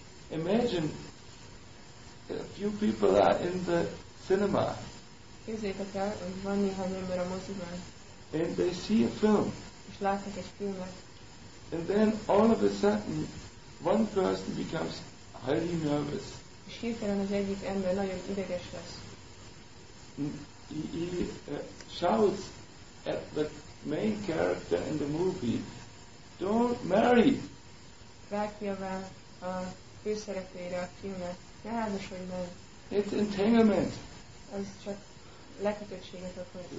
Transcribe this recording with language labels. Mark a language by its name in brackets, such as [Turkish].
[English] Imagine a few people are in the cinema. [Hungarian] Képzeljétek el, hogy van néhány ember a moziban. [English] And they see a film. [Hungarian] És látnak egy filmet. [English] And then all of a sudden, one person becomes highly nervous. [Hungarian] És hirtelen az egyik ember nagyon ideges lesz. [English] He shouts at the main character in the movie, "Don't marry!" [Hungarian] Rákiabál a főszereplőre a filmet, ne házasodj meg! [English] It's entanglement! [Hungarian] Ez csak lekötöttséget okoz.